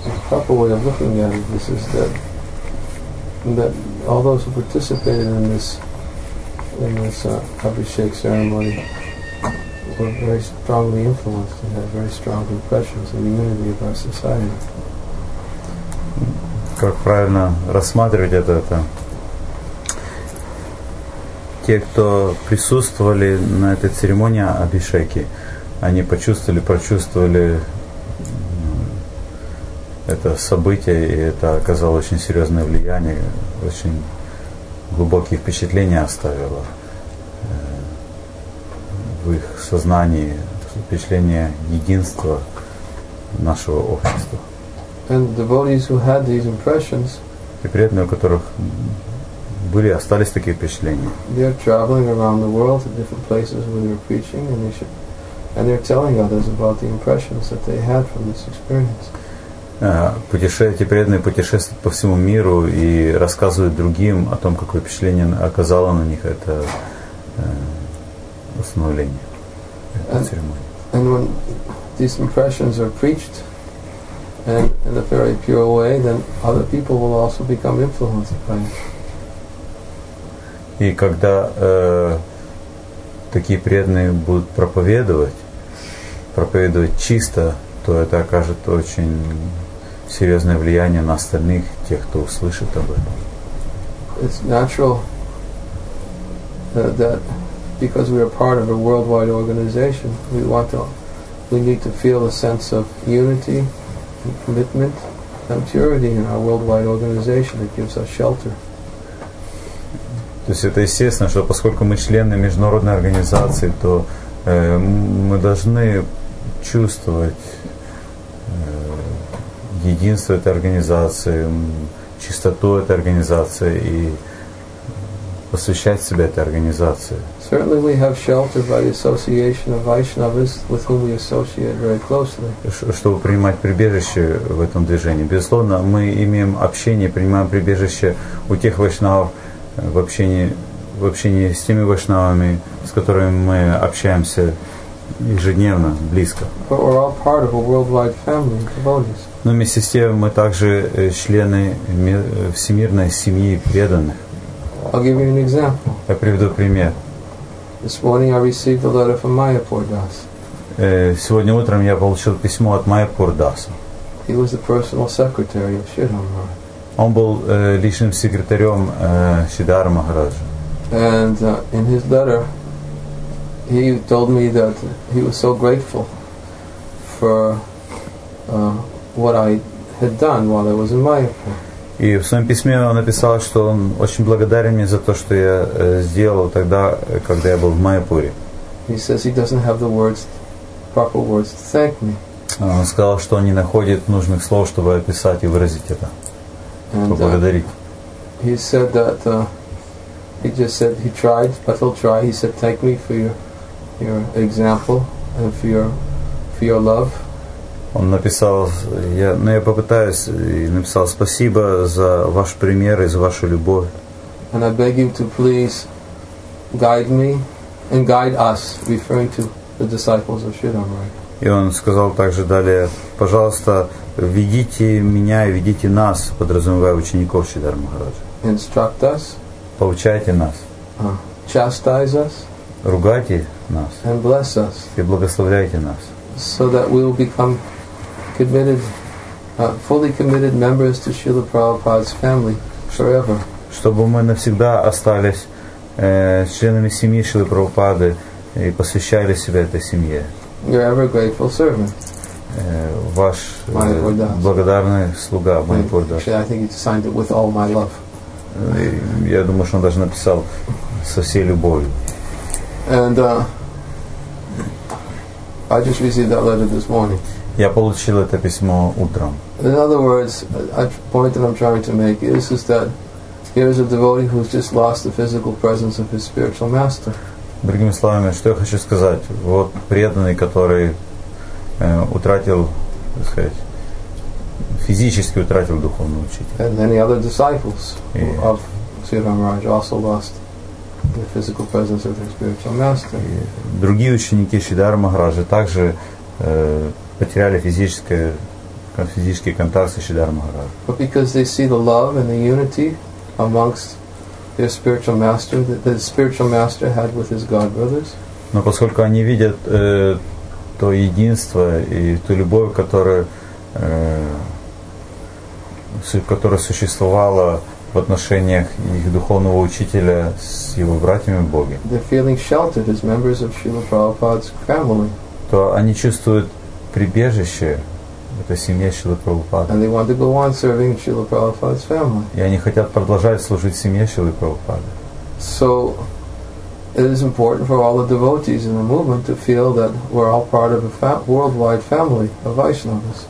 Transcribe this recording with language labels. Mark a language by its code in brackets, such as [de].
[en] Proper way of looking at it, this is that all those who participated in this Abhishek ceremony were very strongly influenced and had very strong impressions on the unity of our society. [ru] Как правильно рассматривать это? Те, кто присутствовали на этой церемонии Абхишеки, они прочувствовали это событие, и это оказало очень серьезное влияние, очень глубокие впечатления оставило. В их сознании впечатление единства нашего общества. [en] And devotees who had these impressions, [ru] и преданные, у которых были, остались такие впечатления. [en] They are traveling around the world to different places when they're preaching, and they should, and they're telling others about the impressions that they had from this experience. [ru] Эти преданные путешествуют по всему миру и рассказывают другим о том, какое впечатление оказало на них это. Восстановление этой церемонии. [en] And when these impressions are preached and in a very pure way, then other people will also become influenced by it. [ru] И когда такие преданные будут проповедовать чисто, то это окажет очень серьезное влияние на остальных, тех, кто услышит об этом. [en] It's natural that because we are part of a worldwide organization, we need to feel a sense of unity, and commitment, and purity in our worldwide organization that gives us shelter. [ru] То есть это естественно, что поскольку мы члены международной организации, то мы должны чувствовать единство этой организации, чистоту этой организации и посвящать себя этой организации. [en] Certainly we have shelter by the association of Vaishnavas with whom we associate very closely. [ru] Чтобы принимать прибежище в этом движении. Безусловно, мы имеем общение, принимаем прибежище у тех вайшнавов в общении с теми вайшнавами, с которыми мы общаемся ежедневно, близко. [en] But we're all part of a worldwide family, devotees. [ru] Но вместе с тем мы также члены всемирной семьи преданных. [en] I'll give you an example. [ru] Я приведу пример. [en] This morning I received a letter from Mayapur Das. [ru] Сегодня утром я получил письмо от Mayapur Das. [en] He was the personal secretary of Sridhar Maharaj. [ru] Он был личным секретарем Сридхара Махараджа. [en] And in his letter, he told me that he was so grateful for what I had done while I was in Mayapur. [ru] И в своем письме он написал, что он очень благодарен мне за то, что я сделал тогда, когда я был в Майяпуре. [en] He says he doesn't have the words, proper words to thank me. [ru] Он сказал, что он не находит нужных слов, чтобы описать и выразить это, поблагодарить. [en] He said that he just said he tried, but he'll try. He said thank me for your example and for your love. [ru] Он написал, я попытаюсь, и написал: спасибо за ваш пример и за вашу любовь. [en] And I beg you to please guide me and guide us, referring to the disciples of Shiromari. [ru] И он сказал также далее: пожалуйста, ведите меня и ведите нас, подразумевая учеников Шридхара Махараджа. [en] Instruct us. [ru] Поучайте нас. [en] Chastise us. [ru] Ругайте нас. [en] And bless us. [ru] И благословляйте нас. [en] So that we will become committed, fully committed members to Srila Prabhupada's family forever. [ru] Чтобы мы навсегда остались членами семьи Шрилы Прабхупады и посвящали себя этой семье. [en] Your ever grateful servant. [ru] Ваш благодарный слуга Манипур Дас. [en] Actually, I think he signed it with all my love. [ru] Я думаю, что он даже написал со всей любовью. [en] And I just received that letter this morning. [ru] Я получил это письмо утром. [en] In other words, a point that I'm trying to make is that here is a devotee who's just lost the physical presence of his spiritual master. [ru] Другими словами, что я хочу сказать, вот преданный, который утратил, так сказать, физически утратил духовного учителя. [en] And many other disciples of Sri Ramaraj also lost the physical presence of their spiritual master. [ru] Другие ученики Шридхара Махараджа также потеряли физический контакт с Шридхара Махараджа. [en] But because they see the love and the unity amongst their spiritual master, that the spiritual master had with his god brothers. [ru] Но поскольку они видят то единство и ту любовь, которая существовала в отношениях их духовного учителя с его братьями Боги. [en] They're feeling sheltered as members of Srila Prabhupada's family. [ru] То они чувствуют прибежище этой семье Шрилы Прабхупады. [en] And they want to go on serving Srila Prabhupada's family. [ru] И они хотят продолжать служить семье Шрилы Прабхупады. [en] So it is important for all the devotees in the movement to feel that we're all part of a worldwide family of Vaishnavas.